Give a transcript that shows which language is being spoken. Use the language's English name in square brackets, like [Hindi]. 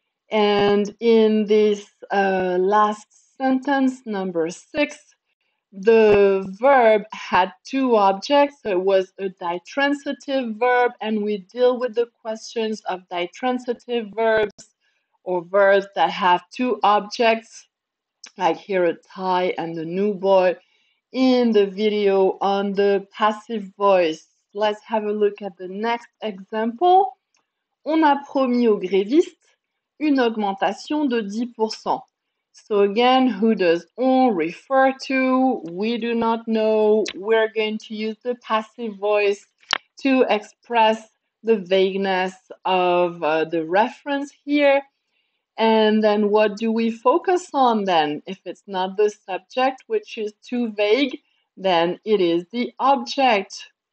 [English] And in this last sentence, number 6, the verb had two objects, so it was a ditransitive verb, and we deal with the questions of ditransitive verbs or verbs that have two objects, like here a tie and the new boy in the video on the passive voice. Let's have a look at the next example. [French] On a promis aux grévistes une augmentation de 10%. [English] So again, who does on refer to? We do not know. We're going to use the passive voice to express the vagueness of the reference here. And then what do we focus on then? If it's not the subject, which is too vague, then it is the object.